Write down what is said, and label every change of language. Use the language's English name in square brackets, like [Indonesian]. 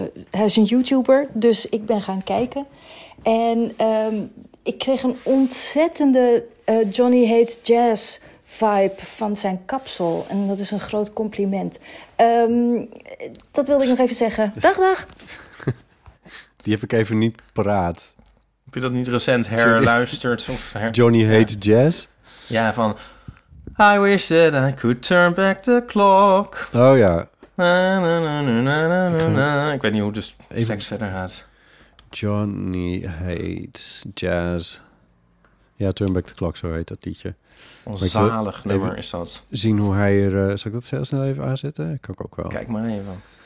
[Dutch] hij is een YouTuber, dus ik ben gaan kijken. En ik kreeg een ontzettende Johnny Hates Jazz vibe van zijn kapsel. En dat is een groot compliment. Dat wilde ik nog even zeggen. Dag, dag. Die heb ik even niet paraat. Heb je dat niet recent herluisterd? Johnny Hates Jazz? Ja, van... [English] I wish that I could turn back the clock. [Dutch] Oh ja. Na, na, na, na, na, na, na. Ik weet niet hoe de seks verder gaat. Johnny Hates Jazz. Ja, Turn Back the Clock, zo heet dat liedje. Onzalig nummer is dat. Zien hoe hij er... zal ik dat zelf snel even aanzetten? Kan ik ook wel. Kijk maar even.